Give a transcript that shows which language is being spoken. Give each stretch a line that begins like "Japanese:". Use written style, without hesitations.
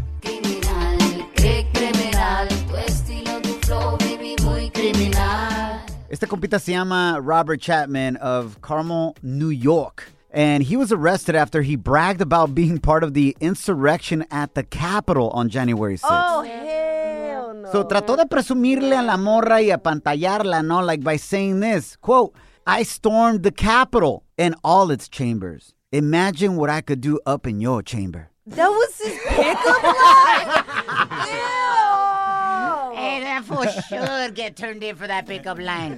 Spanish: Criminal, criminal, tu estilo, tu flow,
English: baby,
Spanish: muy criminal. Este compita se llama Robert Chapman of Carmel, New York.
English: And he was arrested after he bragged about being part of the insurrection at the Capitol on January 6th. Oh, hell no. So,
Spanish: trató de presumirle a la morra y apantallarla, ¿no?
English: Like, by saying this, quote, "I stormed the Capitol and all its chambers. Imagine what I could do up in your chamber." That was his pickup line? Ew. Hey, that for sure get turned in for that pickup line.